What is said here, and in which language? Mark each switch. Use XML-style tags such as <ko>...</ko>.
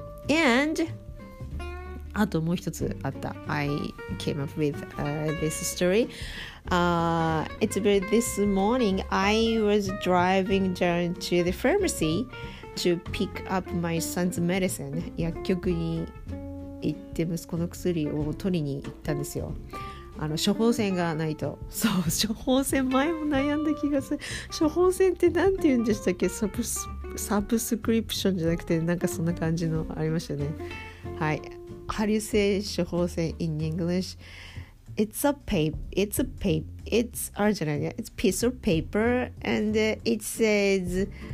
<en>And あともう一つあった、 I came up with、this story、It's about this morning I was driving down to the pharmacyTo pick up my son's medicine.</en> <ja>薬局に行って息子の薬を取りに行ったんですよ。処方箋がないと。そう、処方箋前も悩んだ気がする。処方箋って何て言うんでしたっけ？サブスクリプションじゃなくて、なんかそんな感じのありましたね。はい。</ja> <en>How do you say 処方箋 in English? It's a piece of paper and it says...</en>